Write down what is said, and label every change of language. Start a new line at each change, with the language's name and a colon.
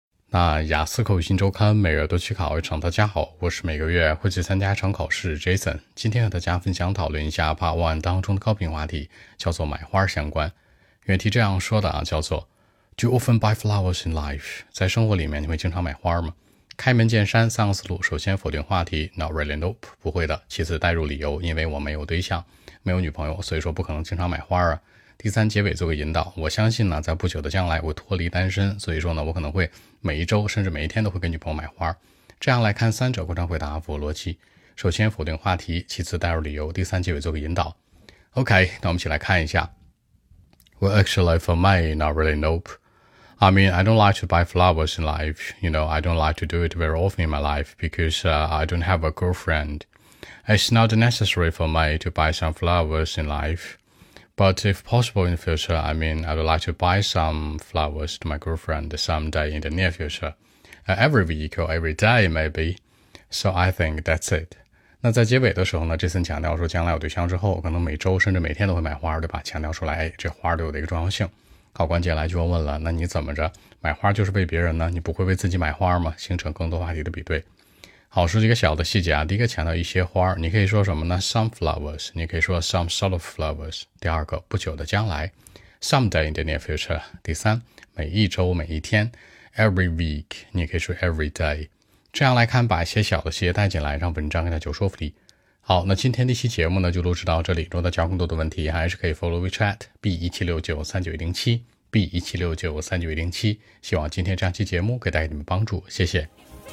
Chinese: 那雅思口语新周刊每月都去考一场，大家好，我是每个月会去参加一场考试 Jason。今天和大家分享讨论一下 Part 1当中的高频话题，叫做买花相关。原题这样说的啊，叫做
English: Do you often buy flowers in life?
Chinese: 在生活里面你会经常买花吗？开门见山三个思路，首先否定话题
English: Not really, nope,
Chinese: 不会的。其次带入理由，因为我没有对象，没有女朋友，所以说不可能经常买花啊。第三，结尾做个引导，我相信呢，在不久的将来我脱离单身，所以说呢，我可能会每一周甚至每一天都会给女朋友买花。这样来看，三者贯穿回答符合逻辑。首先否定话题，其次带入理由，第三结尾做个引导。 OK, 那我们一起来看一下。
English: Well, actually, for me, not really, nope. I mean, I don't like to buy flowers in life. You know, I don't like to do it very often in my life because, I don't have a girlfriend. It's not necessary for me to buy some flowers in life. But if possible in the future, I mean, I'd like to buy some flowers to my girlfriend someday in the near future. Every week or every day, maybe. So I think that's it.
Chinese: 那在结尾的时候呢，这次强调说将来有对象之后，可能每周甚至每天都会买花，对吧？强调出来，这花对我的一个重要性。考官接下来就问了，那你怎么着？买花就是为别人呢？你不会为自己买花吗？形成更多话题的比对。好，说几个小的细节啊。第一个强调一些花，你可以说什么呢？
English: Some flowers,
Chinese: 你可以说
English: some sort of flowers。
Chinese: 第二个，不久的将来，
English: someday in the near future。
Chinese: 第三，每一周每一天，
English: every week,
Chinese: 你可以说
English: every day。
Chinese: 这样来看，把一些小的细节带进来，让文章更加有说服力。好，那今天的一期节目呢就录制到这里，如果大家更多的问题还是可以 follow WeChat B176939107 B176939107。 希望今天这样期节目可以带给你们帮助，谢谢。